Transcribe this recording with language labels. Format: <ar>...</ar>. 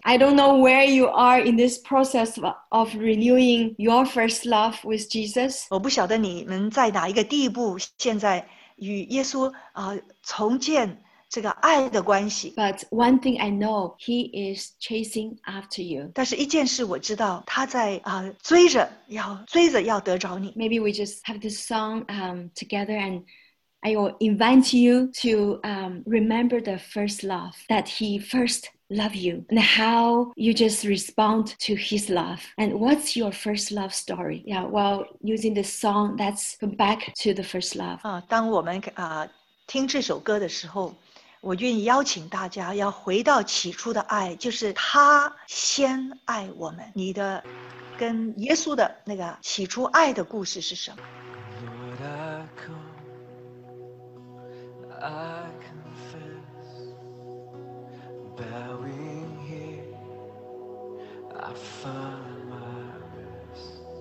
<en>I don't know where you are in this process of renewing your first love with Jesus</en> <zh>我不晓得你们在哪一个地步现在与耶稣、重建这个爱的关系</zh> <en>But one thing I know, he is chasing after you.</en> <zh>但是一件事我知道他在、追着要追着要得着你</zh> <en>Maybe we just have this song、together andI will invite you to、remember the first love, that he first loved you, and how you just respond to his love. And what's your first love story? Yeah, well, using this song, let's go back to the first love.</en> <zh>当我们、听这首歌的时候我愿意邀请大家要回到起初的爱就是他先爱我们你的跟耶稣的那个起初爱的故事是什么</zh> <en>I confess, bowing here, I find my rest.</en>